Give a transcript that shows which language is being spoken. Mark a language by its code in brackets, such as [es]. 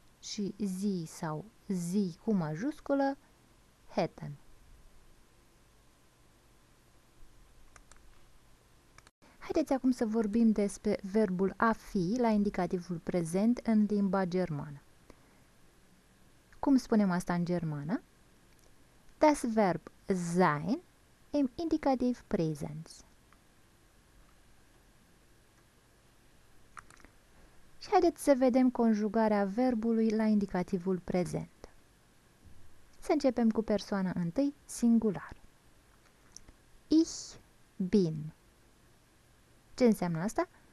[ro] Și zi sau zi cu majusculă, hätten. Haideți acum să vorbim despre verbul a fi la indicativul prezent în limba germană. Cum spunem asta în germană? [de] Das Verb sein im indicativ prezent. [ro] Și haideți să vedem conjugarea verbului la indicativul prezent. Să începem cu persoana întâi, singular. [de] Ich bin. [ro] Ce înseamnă asta?